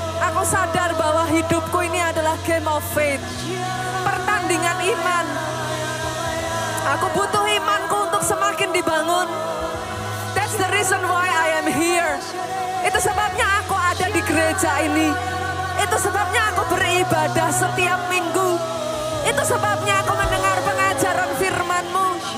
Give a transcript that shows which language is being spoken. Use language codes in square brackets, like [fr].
[id] Aku sadar bahwa hidupku ini adalah [en] game of faith. [id] Pertandingan iman. Aku butuh imanku untuk semakin dibangun. [en] That's the reason why I am here. [id] Itu sebabnya aku ada di gereja ini. Itu sebabnya aku beribadah setiap minggu. Itu sebabnya aku mendengar pengajaran firman-Mu.